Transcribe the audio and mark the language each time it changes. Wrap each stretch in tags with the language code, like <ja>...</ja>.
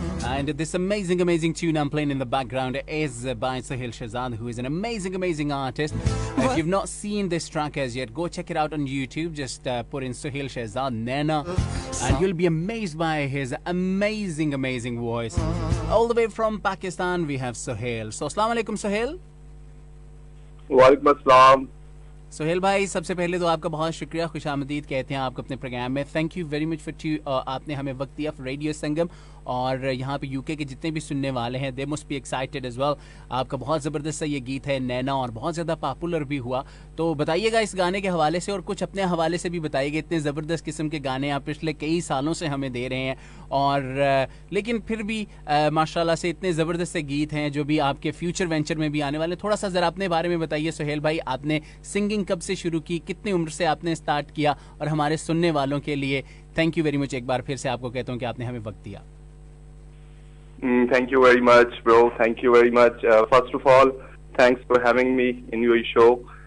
<en>And this amazing, amazing tune I'm playing in the background is by Sohail Shahzad, who is an amazing, amazing artist. What? If you've not seen this track as yet, go check it out on YouTube. Just put in Sohail Shahzad, Naina. And you'll be amazed by his amazing, amazing voice. All the way from Pakistan, we have Sohail. So, Assalamu alaikum, Sohail. Walaikum Assalam.</en> <hi>Sohail भाई, सबसे पहले तो आपका बहुत शुक्रिया, खुश आमदीद कहते हैं आपको अपने प्रोग्राम में.</hi> <en>thank you very much for to</en> <hi>आपने हमें वक्त दिया फॉर रेडियो संगम. और यहाँ पे यूके के जितने भी सुनने वाले हैं,</hi> <en>They must be excited as well.</en> <hi>आपका बहुत ज़बरदस्त सा ये गीत है नैना, और बहुत ज़्यादा पॉपुलर भी हुआ. तो बताइएगा इस गाने के हवाले से और कुछ अपने हवाले से भी बताइएगा. इतने ज़बरदस्त किस्म के गाने आप पिछले कई सालों से हमें दे रहे हैं, और लेकिन फिर भी माशाल्लाह से इतने ज़बरदस्त से गीत हैं जो भी आपके फ्यूचर वेंचर में भी आने वाले. थोड़ा सा ज़रा अपने बारे में बताइए सोहेल भाई, आपने सिंगिंग कब से शुरू की, कितनी उम्र से आपने स्टार्ट किया, और हमारे सुनने वालों के लिए</hi> <en>thank you very much</en> <hi>एक बार फिर से आपको कहता हूँ कि आपने हमें वक्त दिया.</hi> <en>Thank you very much, bro. Thank you very much. First of all, thanks for having me in your show.</en>